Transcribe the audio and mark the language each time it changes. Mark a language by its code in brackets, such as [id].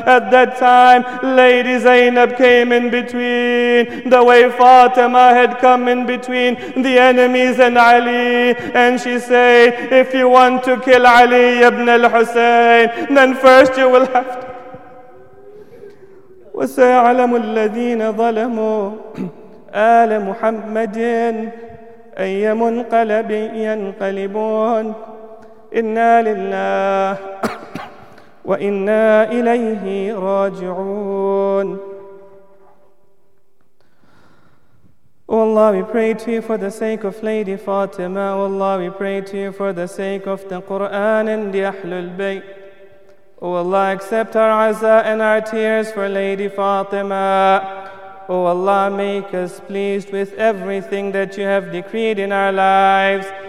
[en] At that time, Lady Zainab came in between, the way Fatima had come in between the enemies and Ali, and she said, "If you want to kill Ali ibn al-Hussein, then first you will have to." [ar] وسيعلم الذين ظلموا آل محمد أي منقلب ينقلبون. إنا لله وإنا إليه راجعون. [en] Oh Allah, we pray to you for the sake of Lady Fatima. Oh Allah, we pray to you for the sake of the Quran and the Ahlul Bayt. Oh Allah, accept our aza and our tears for Lady Fatima. O Allah, make us pleased with everything that you have decreed in our lives.